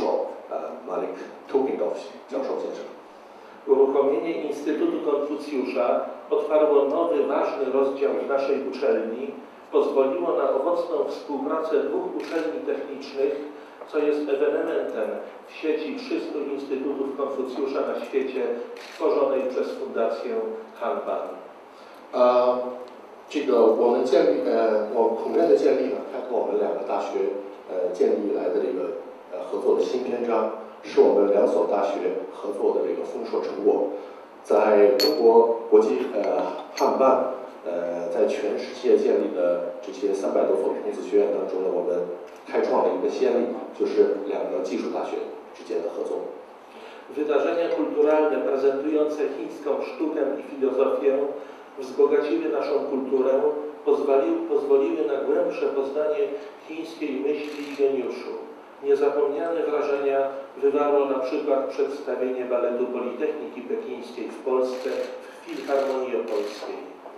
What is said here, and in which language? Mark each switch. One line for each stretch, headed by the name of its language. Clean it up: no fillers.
Chinese: 我呢把这种荣誉呢视为我们两个学校成功合作的认可，以及对我们所付出这个努力、所工作的同仁的一种奖励。那些支持孔子学院的这个工作的这些同仁当中呢，有被我们付出努力的教授们、老师们，还有呢我们奥伯雷省的省长塞贝斯塔先生，还有我的副手马里克图宾多夫教授先生。
Polish: Uruchomienie Instytutu Konfucjusza otwarło nowy, ważny rozdział w naszej uczelni, pozwoliło na owocną współpracę dwóch uczelni technicznych, co jest ewenementem w sieci wszystkich instytutów Konfucjusza na świecie, stworzonej przez Fundację Hanban.
Chinese: 这个我们建立，我孔院的建立呢，它和我们两个大学建立来的这个合作的新篇章。是我们两所大学合作的这个丰硕成果，在中国国际汉办，在全世界建立的这些300多所孔子学院当中呢，我们开创了一个先例，就是两个技术大学之间的合作。
Polish: Wydarzenia kulturalne prezentujące chińską sztukę i filozofię wzbogaciły naszą kulturę, pozwoliły na głębsze poznanie chińskiej myśli i geniuszu. Niezapomniane wrażenia wywarło na przykład przedstawienie baletu Politechniki Pekińskiej w Polsce w Filharmonii Opolskiej.